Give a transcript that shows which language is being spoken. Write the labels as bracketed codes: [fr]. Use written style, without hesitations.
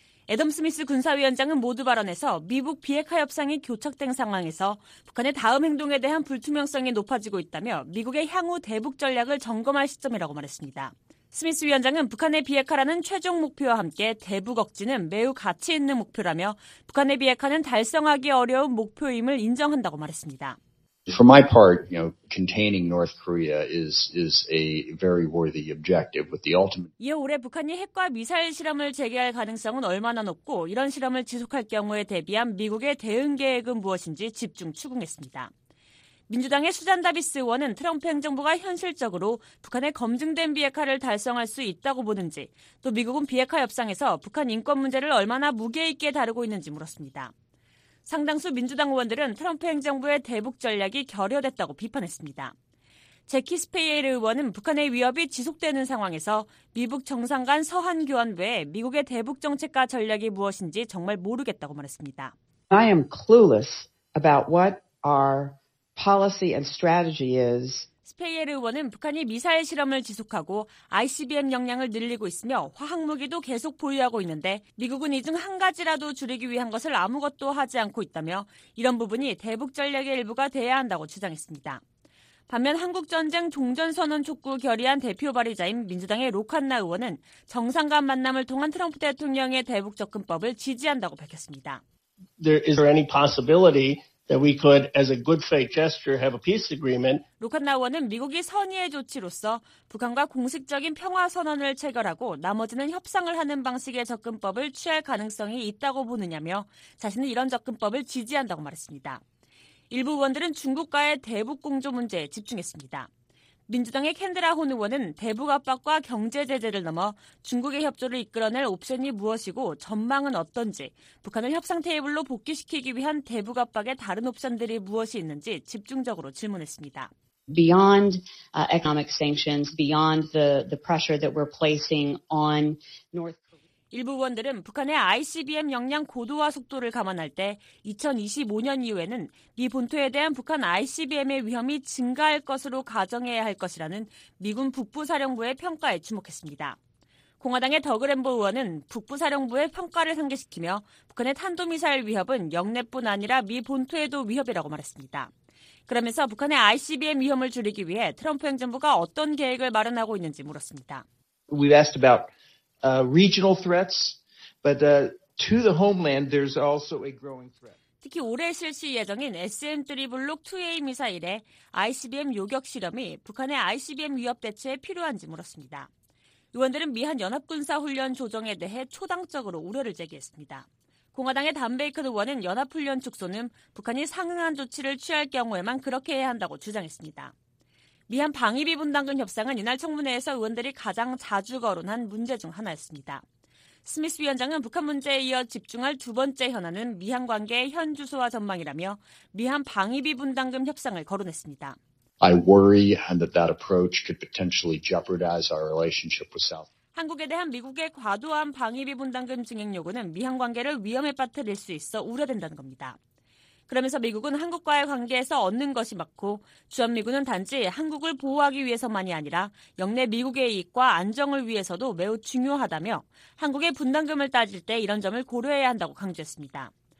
[ko] 애덤 스미스 군사위원장은 모두 발언에서 미북 비핵화 협상이 교착된 상황에서 북한의 다음 행동에 대한 불투명성이 높아지고 있다며 미국의 향후 대북 전략을 점검할 시점이라고 말했습니다. 스미스 위원장은 북한의 비핵화라는 최종 목표와 함께 대북 억지는 매우 가치 있는 목표라며 북한의 비핵화는 달성하기 어려운 목표임을 인정한다고 말했습니다. [en] For my part, you know, containing North Korea is a very worthy objective with the ultimate. [ko] 이어 올해 북한이 핵과 미사일 실험을 재개할 가능성은 얼마나 높고 이런 실험을 지속할 경우에 대비한 미국의 대응 계획은 무엇인지 집중 추궁했습니다. 민주당의 수잔 다비스 의원은 트럼프 행정부가 현실적으로 북한의 검증된 비핵화를 달성할 수 있다고 보는지, 또 미국은 비핵화 협상에서 북한 인권 문제를 얼마나 무게 있게 다루고 있는지 물었습니다. 상당수 민주당 의원들은 트럼프 행정부의 대북 전략이 결여됐다고 비판했습니다. 제키 스페이엘 의원은 북한의 위협이 지속되는 상황에서 미북 정상 간 서한 교환 외에 미국의 대북 정책과 전략이 무엇인지 정말 모르겠다고 말했습니다. [en] I am clueless about what our policy and strategy is. [ko] 스페이엘 의원은 북한이 미사일 실험을 지속하고 ICBM 역량을 늘리고 있으며 화학무기도 계속 보유하고 있는데 미국은 이 중 한 가지라도 줄이기 위한 것을 아무것도 하지 않고 있다며 이런 부분이 대북 전략의 일부가 돼야 한다고 주장했습니다. 반면 한국전쟁 종전선언 촉구 결의안 대표 발의자인 민주당의 로칸나 의원은 정상 간 만남을 통한 트럼프 대통령의 대북 접근법을 지지한다고 밝혔습니다. [en] There is there any possibility that we could, as a good faith gesture, have a peace agreement. [ko] 로칸나 의원은 미국이 선의의 조치로서 북한과 공식적인 평화 선언을 체결하고 나머지는 협상을 하는 방식의 접근법을 취할 가능성이 있다고 보느냐며 자신은 이런 접근법을 지지한다고 말했습니다. 일부 의원들은 중국과의 대북 공조 문제에 집중했습니다. 민주당의 캔드라 혼 의원은 대북 압박과 경제 제재를 넘어 중국의 협조를 이끌어낼 옵션이 무엇이고 전망은 어떤지, 북한을 협상 테이블로 복귀시키기 위한 대북 압박의 다른 옵션들이 무엇이 있는지 집중적으로 질문했습니다. [en] Beyond economic sanctions, beyond the pressure that we're placing on North Korea. [ko] 일부 의원들은 북한의 ICBM 역량 고도화 속도를 감안할 때 2025년 이후에는 미 본토에 대한 북한 ICBM의 위험이 증가할 것으로 가정해야 할 것이라는 미군 북부사령부의 평가에 주목했습니다. 공화당의 더그램보 의원은 북부사령부의 평가를 상기시키며 북한의 탄도미사일 위협은 영내뿐 아니라 미 본토에도 위협이라고 말했습니다. 그러면서 북한의 ICBM 위험을 줄이기 위해 트럼프 행정부가 어떤 계획을 마련하고 있는지 물었습니다. [en] We've asked about regional threats, but to the homeland, there's also a growing threat. [ko] 특히 올해 실시 예정인 SM-3 블록 2A 미사일의 ICBM 요격 실험이 북한의 ICBM 위협 대처에 필요한지 물었습니다. 의원들은 미한 연합군사 훈련 조정에 대해 초당적으로 우려를 제기했습니다. 공화당의 단 베이컨 의원은 연합훈련 축소는 북한이 상응한 조치를 취할 경우에만 그렇게 해야 한다고 주장했습니다. 미한 방위비 분담금 협상은 이날 청문회에서 의원들이 가장 자주 거론한 문제 중 하나였습니다. 스미스 위원장은 북한 문제에 이어 집중할 두 번째 현안은 미한 관계의 현 주소와 전망이라며 미한 방위비 분담금 협상을 거론했습니다. [en] I worry that that approach could potentially jeopardize our relationship with South. [ko] 한국에 대한 미국의 과도한 방위비 분담금 증액 요구는 미한 관계를 위험에 빠뜨릴 수 있어 우려된다는 겁니다. 그러면서 미국은 한국과의 관계에서 얻는 것이 맞고 주한미군은 단지 한국을 보호하기 위해서만이 아니라 영내 미국의 이익과 안정을 위해서도 매우 중요하다며 한국의 분담금을 따질 때 이런 점을 고려해야 한다고 강조했습니다.